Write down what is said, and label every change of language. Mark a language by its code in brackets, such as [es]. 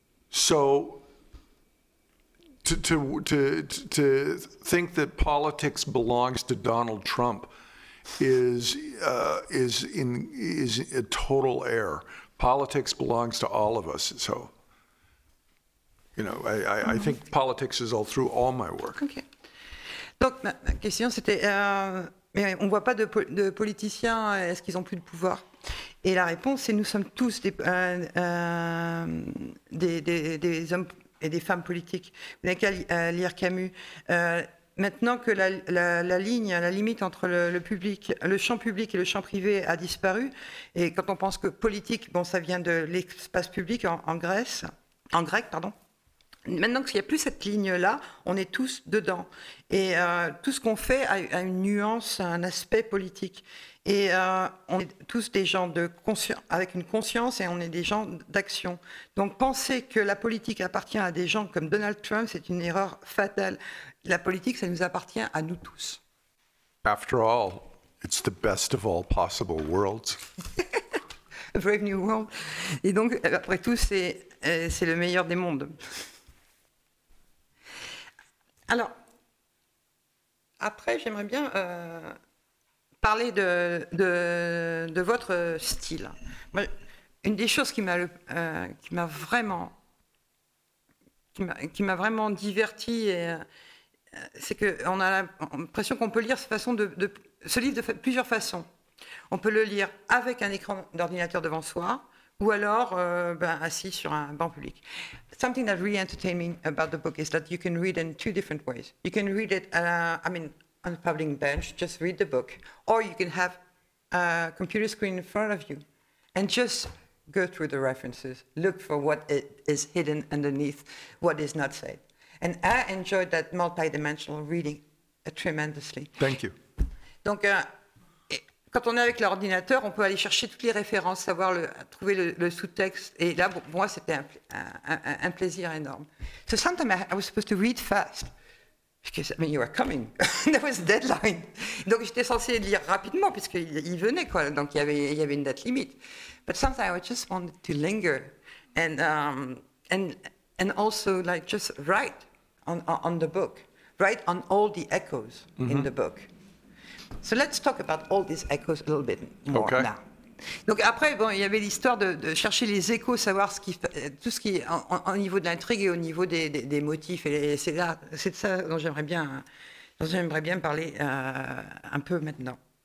[en] So to think that politics belongs to Donald Trump is a total error. Politics belongs to all of us. So, you know, I think politics is all through all my work. Okay. [fr] Donc ma question c'était mais on voit pas de politiciens. Est-ce qu'ils ont plus de pouvoir? Et la réponse c'est nous sommes tous des hommes et des femmes politiques. Vous n'avez qu'à lire Camus. Maintenant que la limite entre le public, le champ public et le champ privé a disparu, et quand on pense que politique, bon, ça vient de l'espace public en grec. Maintenant qu'il n'y a plus cette ligne-là, on est tous dedans. Et tout ce qu'on fait a une nuance, un aspect politique. Et on est tous des gens avec une conscience et on est des gens d'action. Donc penser que la politique appartient à des gens comme Donald Trump, c'est une erreur fatale. La politique, ça nous appartient à nous tous. [en] After all, it's the best of all possible worlds. A brave new world. [fr] Et donc, après tout, c'est le meilleur des mondes. Alors, après, j'aimerais bien parler de votre style. Moi, Une des choses qui m'a vraiment diverti, c'est qu'on a l'impression qu'on peut lire cette façon ce livre de plusieurs façons. On peut le lire avec un écran d'ordinateur devant soi, ou alors assis sur un banc public. [en] Something that really entertained me about the book is that you can read in two different ways. You can read it, on a public bench, just read the book, or you can have a computer screen in front of you and just go through the references, look for what is hidden underneath, what is not said. And I enjoyed that multidimensional reading tremendously. Thank you. [fr] Donc, quand on est avec l'ordinateur, on peut aller chercher toutes les références, savoir trouver le sous-texte. Et là, pour moi, c'était un plaisir énorme. [en] So sometimes I was supposed to read fast. Because, I mean, you were coming. There was a deadline. [fr] Donc, j'étais censée lire rapidement, puisqu'il venait, quoi. Donc, il y avait une date limite. [en] But sometimes I just wanted to linger. And also, like, just write on the book. Write on all the echoes in the book. So let's talk about all these echoes a little bit more now. [fr] Donc après, bon, il y avait l'histoire de chercher les échos, savoir tout ce qui est au niveau de l'intrigue et au niveau des motifs. Et c'est de ça dont j'aimerais bien parler un peu maintenant.